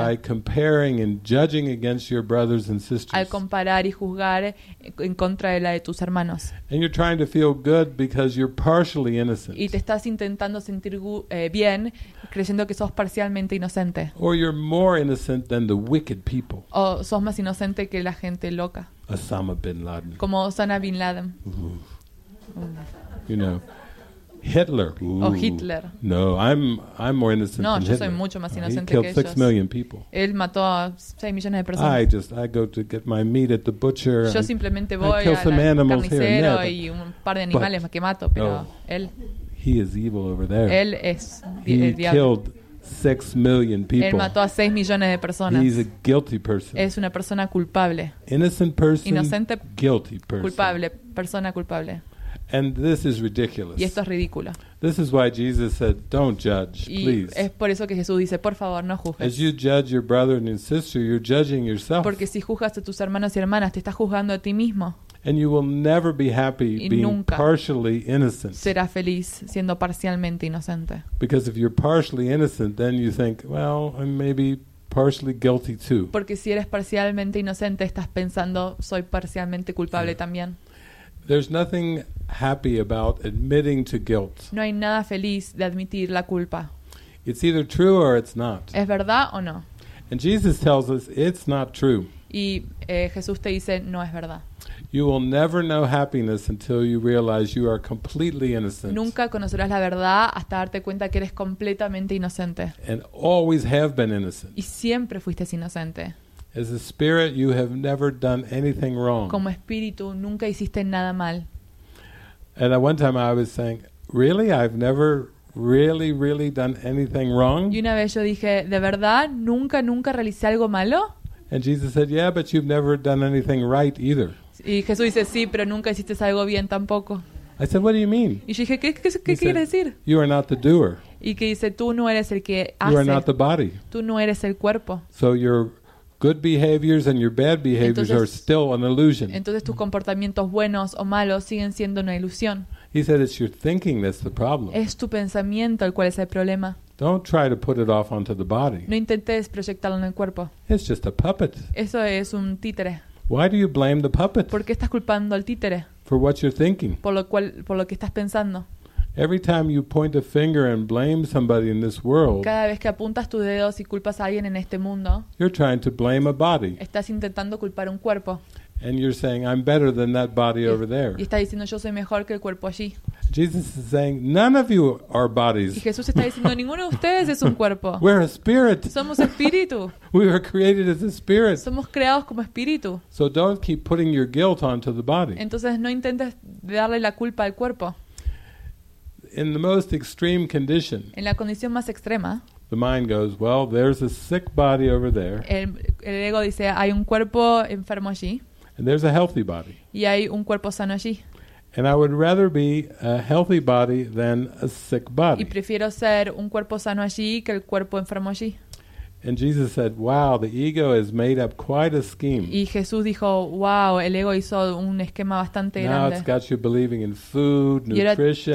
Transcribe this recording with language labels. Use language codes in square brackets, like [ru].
[en] By comparing and judging against your brothers and sisters. [es] Al comparar y juzgar en contra de la de tus hermanos. [en] And you're trying to feel good because you're partially innocent. [es] Y te estás intentando sentir bien creyendo que sos parcialmente inocente. [en] Or you're more innocent than the wicked people. [es] O sos más inocente que la gente loca. [en] Osama bin Laden. [es] Como Osama bin Laden. [en] You know. Hitler. Ooh. Oh, Hitler. No, I'm more innocent [es] no, [en] than Hitler. [es] No, yo soy mucho más inocente que ellos. [en] He killed 6 million people. [es] Él mató a 6 millones de personas. [en] I go to get my meat at the butcher. [es] Yo simplemente voy al carnicero y un par de animales que mato, pero él. [en] He is evil over there. [es] Él es [en] he [es] el diablo. [en] He killed 6 million people. [es] Él mató a 6 millones de personas. [en] He's a guilty person. [es] Es una persona culpable. [en] Innocent person. [es] Inocente. [en] Guilty person. [es] Culpable. Persona culpable. [en] And this is ridiculous. [es] Y esto es ridículo. [en] This is why Jesus said, "Don't judge, please." [es] Y es por eso que Jesús dice, por favor, no juzgues. [en] As you judge your brother and your sister, you're judging yourself. [es] Porque si juzgas a tus hermanos y hermanas, te estás juzgando a ti mismo. [en] And you will never be happy [es] y [en] being partially innocent. [es] Será feliz siendo parcialmente inocente. [en] Because if you're partially innocent, then you think, well, I'm maybe partially guilty too. [es] Porque si eres parcialmente inocente, estás pensando, soy parcialmente culpable yeah. también. [en] There's nothing happy about admitting to guilt. [es] No hay nada feliz de admitir la culpa. [en] It's either true or it's not. [es] ¿Es verdad o no? [en] And Jesus tells us it's not true. [es] Y Jesús te dice, no es verdad. [en] You will never know happiness until you realize you are completely innocent. [es] Nunca conocerás la verdad hasta darte cuenta que eres completamente inocente. [en] And always have been innocent. [es] Y siempre fuiste inocente. [en] As a spirit, you have never done anything wrong. [es] Como espíritu, nunca hiciste nada mal. [en] And at one time I was saying, really? I've never really, really done anything wrong? [es] Y una vez yo dije, ¿de verdad? ¿Nunca, nunca realicé algo malo? [en] And Jesus said, yeah, but you've never done anything right either. [es] Y Jesús dice, sí, pero nunca hiciste algo bien tampoco. [en] I said, what do you mean? [es] Y yo dije, ¿qué quiere decir? [en] You are not the doer. [es] Y que dice, tú no eres el que hace. [en] You are not the body. [es] Tú no eres el cuerpo. [en] So your good behaviors and your bad behaviors are still an illusion. [es] Entonces tus comportamientos buenos o malos siguen siendo una ilusión. [en] He said, it's your thinking that's the problem. [es] Es tu pensamiento el cual es el problema. [en] Don't try to put it off onto the body. [es] No intentes proyectarlo en el cuerpo. [en] It's just a puppet. [es] Eso es un títere. [en] Why do you blame the puppet? [es] ¿Por qué estás culpando al títere? [en] For what you're thinking. [es] Por lo que estás pensando. [en] Every time you point a finger and blame somebody in this world, [es] cada vez que apuntas tus dedos y culpas a alguien en este mundo, [en] you're trying to blame a body. [es] Estás intentando culpar un cuerpo. [en] And you're saying, I'm better than that body over there. [es] Y está diciendo, yo soy mejor que el cuerpo allí. [en] Jesus is saying, none of you are bodies. [es] Y Jesús está diciendo, ninguno de ustedes es un cuerpo. [en] We're a spirit. [es] Somos espíritu. [en] We were created as a spirit. [es] Somos creados como espíritu. [en] So don't keep putting your guilt onto the body. [es] Entonces no intentes darle la culpa al cuerpo. [en] In the most extreme condition, [es] en la condición más extrema, [en] the mind goes, well, there's a sick body over there. [es] El ego dice, hay un cuerpo enfermo allí. [en] And there's a healthy body. [es] Y hay un cuerpo sano allí. [en] And I would rather be a healthy body than a sick body. [es] Y prefiero ser un cuerpo sano allí que el cuerpo enfermo allí. [en] And Jesus said, wow, the ego has made up quite a scheme. [es] Y Jesús dijo, wow, el ego hizo un esquema bastante [en] now Now it's got you believing in food, nutrition,